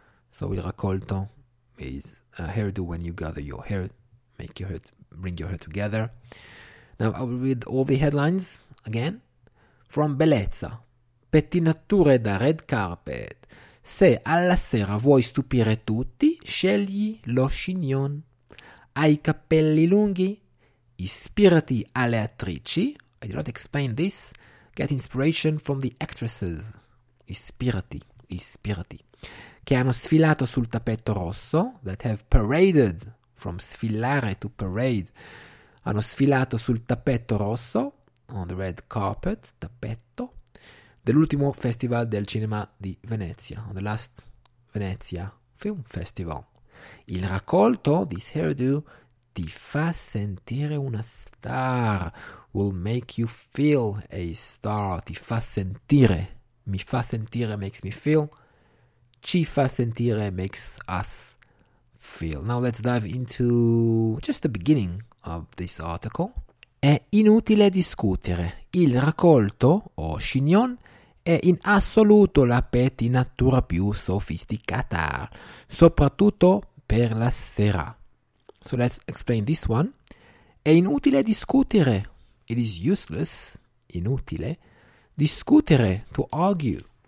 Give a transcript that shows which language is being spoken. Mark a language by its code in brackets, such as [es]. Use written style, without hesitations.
[en] So il raccolto is a hairdo when you gather your hair, make your hair, bring your hair together. Now I will read all the headlines again. [it] From bellezza, pettinature da red carpet. Se alla sera vuoi stupire tutti, scegli lo chignon. Hai capelli lunghi? Ispirati alle attrici. [en] I did not explain this. Get inspiration from the actresses. [it] Ispirati, ispirati. Che hanno sfilato sul tappeto rosso. [en] That have paraded. From sfilare to parade. [it] Hanno sfilato sul tappeto rosso. [en] On the red carpet, [it] tappeto. Dell'ultimo festival del cinema di Venezia. [en] On the last Venezia film festival. [it] Il raccolto, [en] this hairdo, [it] ti fa sentire una star. [en] Will make you feel a star. [it] Ti fa sentire. Mi fa sentire [en] makes me feel. [it] Ci fa sentire [en] makes us feel. Now let's dive into just the beginning of this article. [it] È inutile discutere. Il raccolto, o chignon, è in assoluto la pettinatura più sofisticata, soprattutto per la sera. [en] So let's explain this one. [it] È inutile discutere. [en] It is useless, inutile, discutere, to argue.